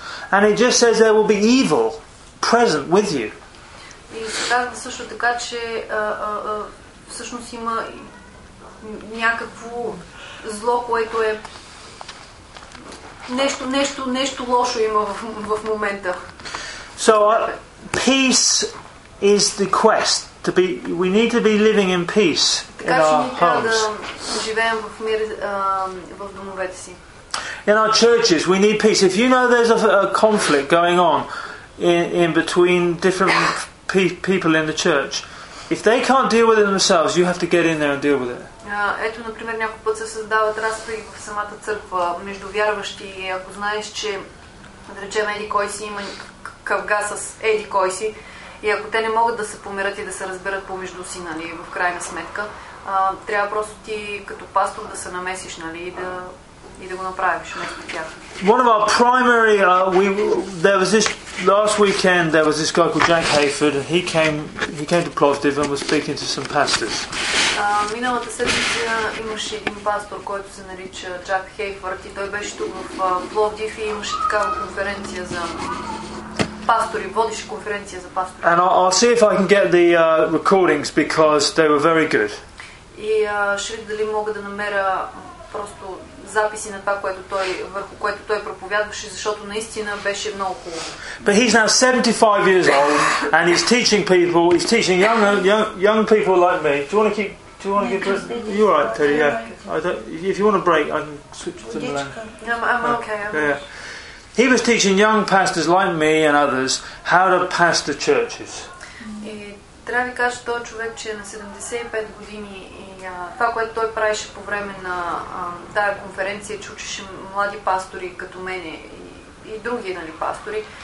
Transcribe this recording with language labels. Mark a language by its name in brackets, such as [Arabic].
[English] And it just says there will be evil present with you. [Bulgarian] И казва също така, че всъщност има някакво зло, което е нещо лошо има в момента. [English] So peace is the quest. We need to be living in peace in our homes. [Bulgarian] Да живеем в мир в домовете си. [English] In our churches, we need peace. If you know there's a conflict going on in between different people in the church, if they can't deal with it themselves, you have to get in there and deal with it. [Bulgarian] Ето, например, някой път се създават разпри в самата църква между вярващи и ако знаеш, че да речем еди кой си има кавга с еди кой си и ако те не могат да се помирят и да се разберат помежду си, нали, в крайна сметка, трябва просто ти като пастор да се намесиш, нали, и да го направиш вместо тях. [English] One of our primary, there was this last weekend, there was this guy called Jack Hayford, and he came to Plovdiv and was speaking to some pastors. [Bulgarian] Миналата седмица имаше един пастор, който се нарича Джак Хейфърд, и той беше тук в Пловдив и имаше такава конференция за пастори, водеше конференция за пастори. [English] And I'll see if I can get the recordings because they were very good. [Bulgarian] И ще видя дали мога да намеря просто записи на това, върху което той проповядваше, защото наистина беше много хубаво. [English] But he's now 75 years old and he's teaching people, he's teaching young people like me. You're right, Teddy, yeah. If you want a break, I can switch to the line. I'm okay. He was teaching young pastors like me and others how to pastor churches. [Bulgarian] И трябва да ви кажа, той човек, че е на 75 години и това, което той правеше по време на тая конференция, че учеше млади пастори като мене и други, нали, пастори.